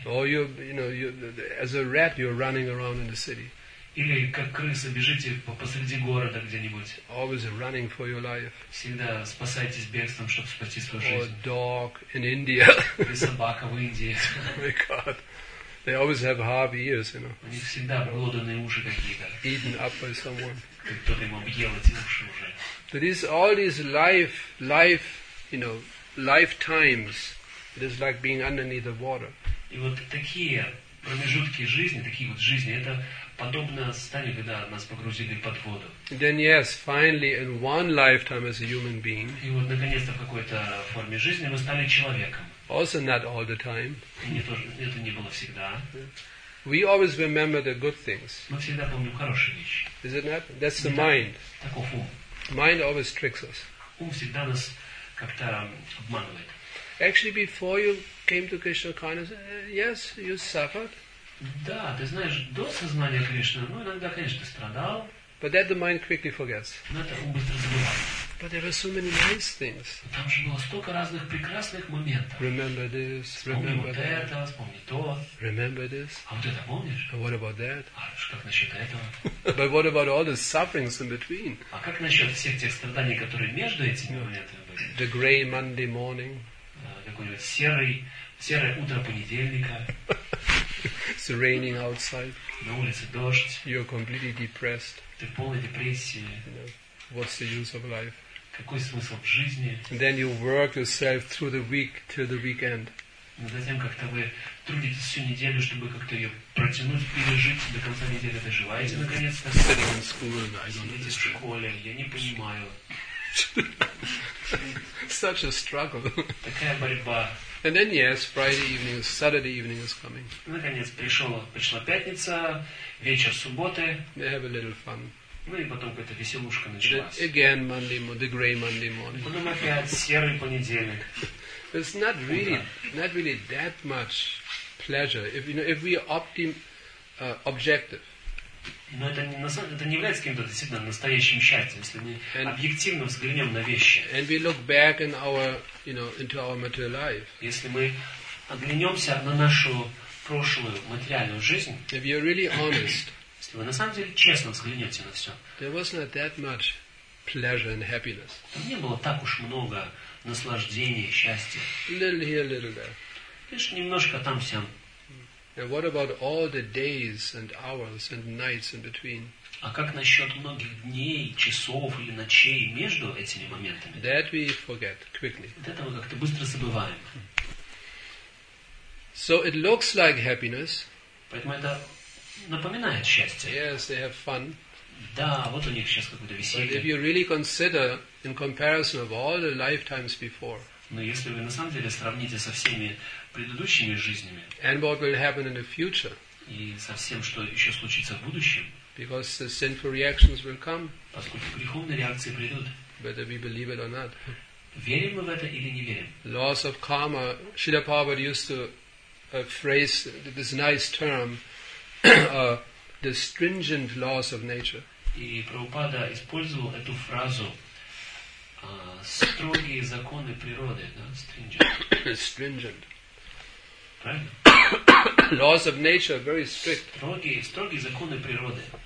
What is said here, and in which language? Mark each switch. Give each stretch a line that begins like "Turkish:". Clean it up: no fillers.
English: Or you as a rat you're running around in the city.
Russian: Или как крыса бежите посреди города где-нибудь.
English: Always running for your life.
Russian: Всегда спасайтесь бегством, чтобы спасти свою жизнь.
English: Or a dog in India.
Russian: Или собака в Индии.
English: Oh my God. They always have half ears, you know.
Russian: У них всегда обглоданные уши какие-то.
English: Eaten up by someone.
Russian: Кто-то им объел эти уши уже.
English: But it's all these life, you know, lifetimes. It is like being underneath the water.
Russian: И вот такие промежутки жизни, такие вот жизни, это подобно стане, когда нас погрузили под воду.
English: Then yes, finally, in one lifetime as a human being.
Russian: И вот наконец-то в какой-то форме жизни мы стали человеком.
English: Also not all the time.
Russian: Это не было всегда.
English: We always remember the good things.
Russian: Мы всегда помним хорошие вещи.
English: Is it not? That's the mind.
Russian: Таков ум.
English: Mind always tricks us.
Russian: Ум всегда нас как-то обманывает.
English: Actually, before you came to Krishna consciousness, yes, you suffered.
Russian: Да, ты знаешь, до сознания Кришны, иногда, конечно, ты страдал.
English: But that the mind quickly forgets.
Russian: Но это ум быстро забывает.
English: But there were so many nice things.
Russian: Там же было столько разных прекрасных моментов.
English: Remember this.
Russian: Вспомни то.
English: Remember this.
Russian: А вот это помнишь?
English: And what about that?
Russian: А как насчет этого?
English: But what about all the sufferings in between?
Russian: А как насчет всех тех страданий, которые между этими моментами были?
English: The grey Monday morning.
Russian: Какой-нибудь серое утро понедельника.
English: It's raining outside.
Russian: На улице дождь.
English: You're completely depressed.
Russian: Ты в полной депрессии.
English: You know, what's the use of life?
Russian: Какой смысл в жизни?
English: And then you work yourself through the week till the weekend.
Russian: Но затем как-то вы трудитесь всю неделю, чтобы как-то ее протянуть, пережить до конца недели, доживаете наконец-то.
English: Sitting in school,
Russian: сидите в школе, я не понимаю.
English: Such a struggle.
Russian: Такая борьба.
English: And then yes, Friday evening, Saturday evening is coming.
Russian: Наконец пришла пятница, вечер субботы.
English: They have a little fun.
Russian: Ну и потом какая-то веселушка началась.
English: Again Monday, the grey Monday morning.
Russian: Потом опять серый понедельник.
English: It's not really that much pleasure if we are objective.
Russian: Но это не является каким-то действительно настоящим счастьем, если мы объективно взглянем на вещи.
English: And we look back in our, you know, into our material life.
Russian: Если мы оглянемся на нашу прошлую материальную жизнь.
English: If you're really honest.
Russian: Если вы на самом деле честно взглянете на все.
English: There was not that much pleasure and happiness.
Russian: Там не было так уж много наслаждения, счастья.
English: Little here, little there.
Russian: Лишь немножко там всем.
English: And what about all the days and hours and nights in between?
Russian: А как насчет многих дней, часов или ночей между этими моментами?
English: That we forget quickly.
Russian: Вот это мы как-то быстро забываем.
English: So it looks like happiness.
Russian: Поэтому это напоминает счастье.
English: Yes, they have fun.
Russian: Да, вот у них сейчас какое-то веселье.
English: But if you really consider in comparison of all the lifetimes before.
Russian: Но если вы на самом деле сравните со всеми предыдущими жизнями.
English: And what will happen in the future.
Russian: И со всем, что еще случится в будущем.
English: Because the sinful reactions will come.
Russian: Поскольку греховные реакции придут.
English: whether we believe it or not.
Russian: Верим мы в это или не верим?
English: Laws of karma. Srila Prabhupada used to a phrase, this nice term, the stringent laws of nature.
Russian: И Прабхупада использовал эту фразу, строгие законы природы, да, stringent.
English: Stringent.
Russian: Правильно?
English: Laws of nature, very strict.
Russian: Строгие, строгие законы природы.